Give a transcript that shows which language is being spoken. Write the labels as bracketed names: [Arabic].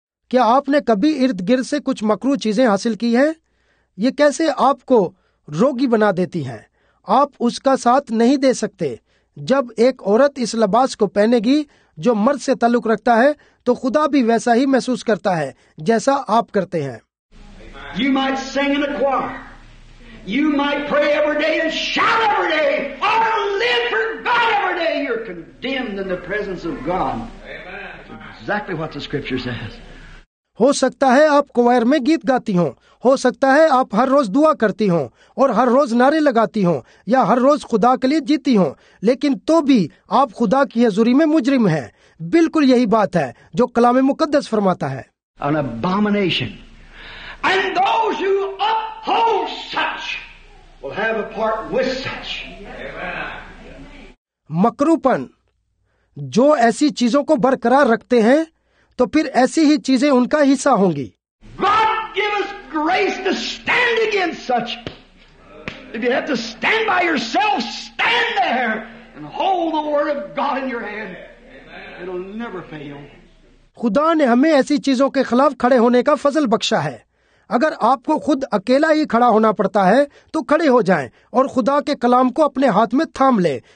[Hindi] क्या आपने कभी इर्द गिर्द से कुछ मकरू चीजें हासिल की हैं? ये कैसे आपको रोगी बना देती हैं? आप उसका साथ नहीं दे सकते। जब एक औरत इस लबास को पहनेगी जो मर्द से ताल्लुक रखता है, तो खुदा भी वैसा ही महसूस करता है जैसा आप करते हैं। [English] You might sing in a choir. You might pray every day and shout every day or live for God every day. You're condemned in the presence of God. Exactly what the scripture says. [Hindi] हो सकता है आप क्वायर में गीत गाती हो सकता है आप हर रोज दुआ करती हो और हर रोज नारे लगाती हो या हर रोज खुदा के लिए जीती हो, लेकिन तो भी आप खुदा की हजूरी में मुजरिम हैं। बिल्कुल यही बात है जो कलाम मुकद्दस फरमाता है। [English] An abomination. And those who uphold such will have a part with such. [Hindi] मकरूपन, जो ऐसी चीजों को बरकरार रखते हैं तो फिर ऐसी ही चीजें उनका हिस्सा होंगी। [English] God give us grace to stand against such. If you have to stand by yourself, stand there and hold the word of God in your hand. It'll never fail. [Hindi] खुदा ने हमें ऐसी चीजों के खिलाफ खड़े होने का फजल बख्शा है। अगर आपको खुद अकेला ही खड़ा होना पड़ता है, तो खड़े हो जाएं और खुदा के कलाम को अपने हाथ में थाम लें।